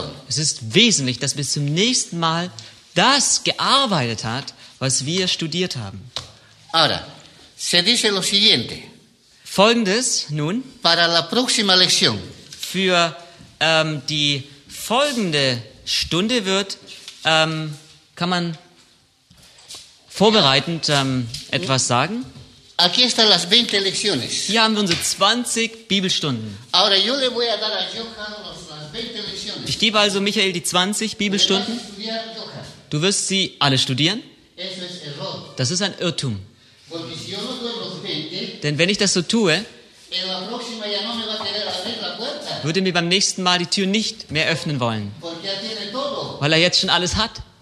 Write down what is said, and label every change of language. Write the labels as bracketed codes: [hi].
[de] Es ist wesentlich, dass bis zum nächsten Mal das gearbeitet hat, was wir studiert haben. [es] Ahora, se dice lo siguiente. [de] Folgendes nun. [es] Para la próxima lección. [de] Für die folgende Stunde wird, kann man vorbereitend etwas sagen. [es] Aquí están las 20 lecciones. [de] Hier haben wir unsere 20 Bibelstunden. [es] Ahora yo le voy a dar a Johan las 20 lecciones. [de] Ich gebe also Michael die 20 Bibelstunden. Du wirst sie alle studieren. [es] Eso es error. [de] Das ist ein Irrtum. [es] Porque si yo no doy los 20, [de] denn wenn ich das so tue, [es] en la próxima ya no me va a querer abrir la puerta. [de] Würde mir beim nächsten Mal die Tür nicht mehr öffnen wollen. [es] Porque ya tiene todo. [de] Weil er jetzt schon alles hat.